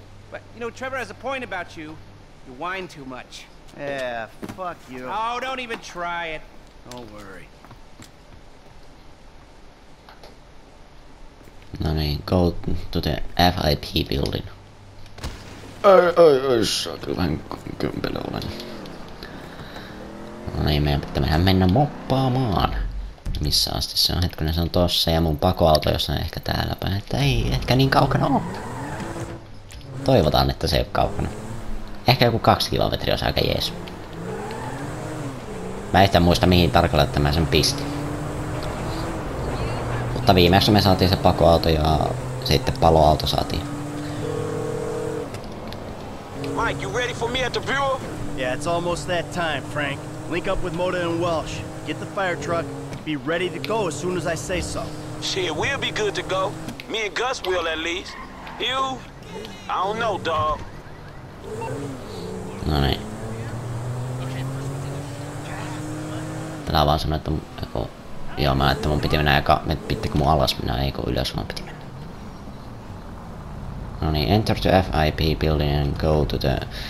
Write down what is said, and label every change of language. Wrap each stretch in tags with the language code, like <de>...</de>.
<en>But, you know, Trevor has a point about you. You whine too much. Yeah, fuck you. Oh, don't even try it. Don't worry.</en> <fi>No niin,</fi> <en>go to the FIP building.</en> <fi>Ai, saa kyllä vähän kömpelä olen. No niin, meidän pitää mennä moppaamaan. Missä asti se on? Hetkinen, se on tossa ja mun pakoauto, jos on ehkä täällä päin. Että ei ehkä niin kaukana ole. Toivotaan, että se ei ole kaukana. Ehkä joku 2 kilometriä olisi aika jees. Mä en muista, mihin tarkalleen, että mä sen pistin. Mutta viimeksi me saatiin se pakoauto ja sitten paloauto saatiin.</fi> <en>Mike, you ready for me at the bureau? Yeah, it's almost that time, Frank. Link up with Moda and Welsh. Get the fire truck. Be ready to go as soon as I say so. Shit, we'll be good to go. Me and Gus will at least. You, I don't know, dog.</en> <fi>No niin. Tää vaan sanoo, että kun... Joo, mä ajattelin, mun piti mennä eka... Pittikö mun alas mennä, ei kun ylös vaan piti mennä. No niin,</fi> <en>enter to FIP building and go to the...</en>